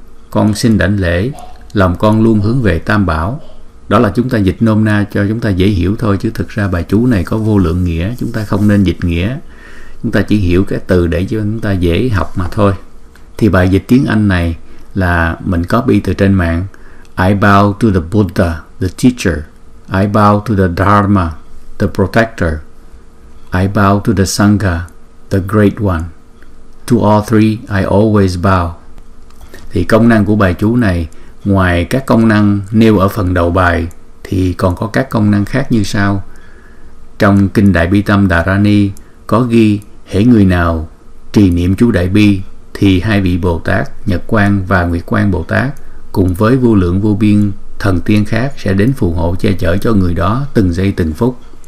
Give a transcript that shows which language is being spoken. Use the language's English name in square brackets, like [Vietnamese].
[Vietnamese] Con xin đảnh lễ, lòng con luôn hướng về Tam Bảo. Đó là chúng ta dịch nôm na cho chúng ta dễ hiểu thôi, chứ thực ra bài chú này có vô lượng nghĩa, chúng ta không nên dịch nghĩa. Chúng ta chỉ hiểu cái từ để cho chúng ta dễ học mà thôi. Thì bài dịch tiếng Anh này là mình copy từ trên mạng. [English] I bow to the Buddha, the teacher. I bow to the Dharma, the protector. I bow to the Sangha, the great one. To all three, I always bow. [Vietnamese] Thì công năng của bài chú này, ngoài các công năng nêu ở phần đầu bài, thì còn có các công năng khác như sau. Trong Kinh Đại Bi Tâm Đà Ra Ni có ghi: hễ người nào trì niệm chú Đại Bi thì hai vị Bồ Tát Nhật Quang và Nguyệt Quang Bồ Tát cùng với vô lượng vô biên thần tiên khác sẽ đến phù hộ che chở cho người đó từng giây từng phút.